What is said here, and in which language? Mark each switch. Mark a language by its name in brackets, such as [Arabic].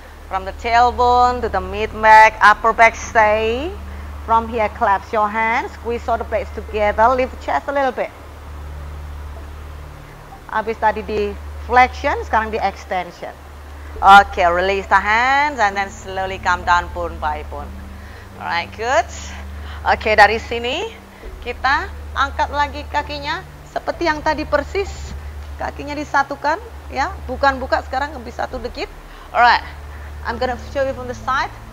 [English] From the tailbone to the mid back, upper back, stay. From here, collapse your hands. Squeeze all the plates together. Lift chest a little bit. [Indonesian] Habis tadi di flexion, sekarang di extension. [English] Okay, release the hands and then slowly come down bone by bone. Alright, good. [Indonesian] Okay, dari sini kita angkat lagi kakinya seperti yang tadi persis. Kakinya disatukan, ya. Bukan buka, sekarang lebih satu dikit. [English] Alright, I'm gonna show you from the side.